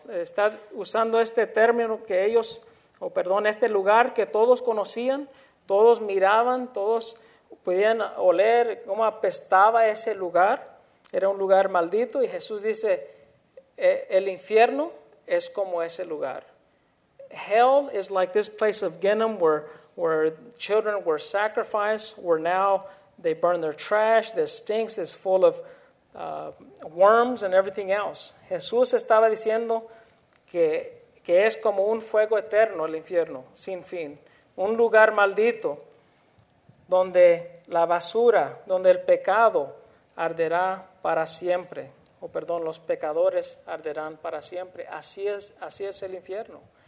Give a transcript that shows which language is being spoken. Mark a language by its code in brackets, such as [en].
[es] Está usando este término que ellos, este lugar que todos conocían, todos miraban, todos podían oler cómo apestaba ese lugar. Era un lugar maldito. Y Jesús dice, el infierno es como ese lugar. [en] Hell is like this place of Gehenna where children were sacrificed, where now they burn their trash, this stinks, it's full of worms and everything else. [es] Jesús estaba diciendo que es como un fuego eterno el infierno, sin fin. Un lugar maldito donde la basura, donde el pecado arderá para siempre. Los pecadores arderán para siempre. Así es el infierno.